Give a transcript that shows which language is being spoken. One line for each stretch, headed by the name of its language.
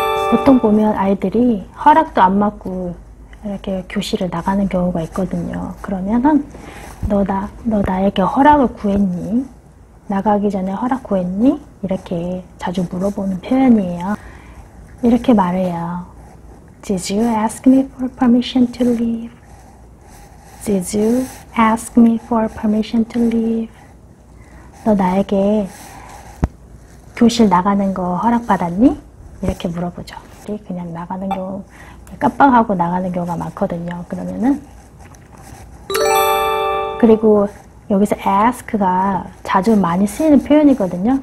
Korean: 보통 보면 아이들이 허락도 안 맞고 이렇게 교실을 나가는 경우가 있거든요. 그러면은 너 나에게 허락을 구했니? 나가기 전에 허락 구했니? 이렇게 자주 물어보는 표현이에요. 이렇게 말해요.
English: Did you ask me for permission to leave? Did you ask me for permission to leave?
Korean: 너 나에게 교실 나가는 거 허락 받았니? 이렇게 물어보죠. 그냥 나가는 경우, 깜빡하고 나가는 경우가 많거든요. 그러면은. 그리고 여기서 ask가 자주 많이 쓰이는 표현이거든요.